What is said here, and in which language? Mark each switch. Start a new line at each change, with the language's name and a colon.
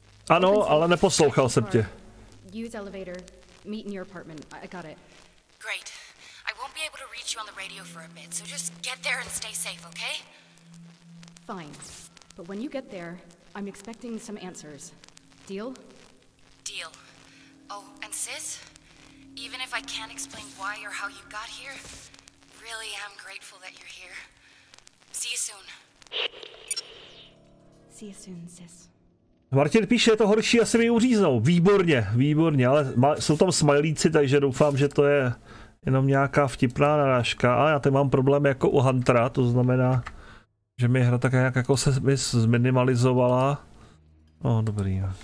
Czech: Ano, ale neposlouchal jsem tě.
English: Use elevator. Meet in your apartment. I got it. Great. I won't be able to reach you on the radio for a bit, so just get there and stay safe, okay? Fine. But when you get there, I'm expecting some answers. Deal? Deal. Oh, and sis? Even if I can't explain why or how you got here, really am grateful that you're here. See you soon. See you soon, sis.
Czech: Martin píše, je to horší, asi mi uříznou. Výborně, výborně, ale jsou tam smajlíci, takže doufám, že to je jenom nějaká vtipná narážka. A já tady mám problém jako u Huntera, to znamená, že mi hra tak nějak jako se mi zminimalizovala. No, dobrý.